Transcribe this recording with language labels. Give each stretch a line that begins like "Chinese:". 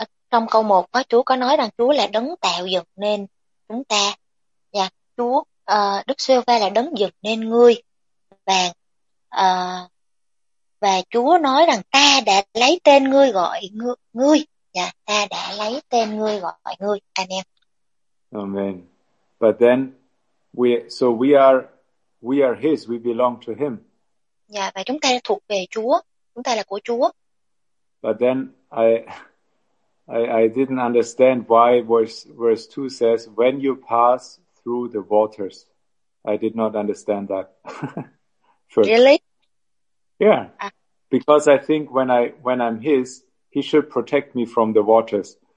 Vietnamese: Trong câu 1 có Chúa có nói rằng Chúa là đấng tạo dựng nên chúng ta. Yeah, Chúa Đức Giê-hô-va là đấng dựng nên ngươi. Và Chúa nói rằng ta đã lấy tên ngươi gọi ngươi. Yeah, ta đã lấy tên ngươi gọi ngươi. Amen. Amen.
English: But then we are his, we belong to him.
Vietnamese: Yeah, và chúng ta thuộc về Chúa, chúng ta là của Chúa.
English: But then I didn't understand why verse 2 says when you pass through the waters. I did not understand that. First. Really? Yeah. Because I think when I'm his, he should protect me from the waters.